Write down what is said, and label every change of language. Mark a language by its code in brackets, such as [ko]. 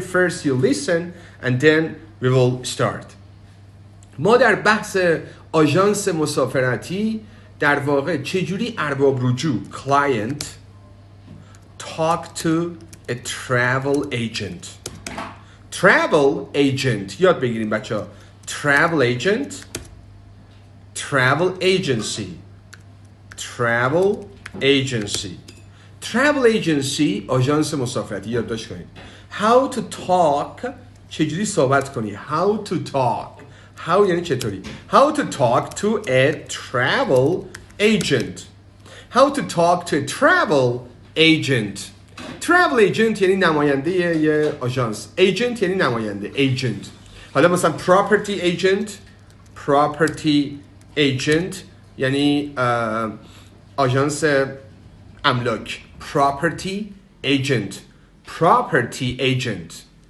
[en] First you listen and then we will start. [fa] ما در بحث آژانس مسافرتی در واقع چجوری ارباب رجوع [en] client talk to a travel agent. [fa] Travel agent یاد بگیریم بچه ها. Travel agency آژانس مسافرتی یاد داشت کنید. [en] How to talk، [fa] چجوری صحبت کنی. [en] How to talk، How یعنی چطوری. How to talk to a travel agent، How to talk to a travel agent. [fa] Travel agent یعنی نماینده یه آژانس. Agent یعنی نماینده. Agent. حالا مثلا property agent، Property agent یعنی آژانس املاک. [en] Property agent. Property agent.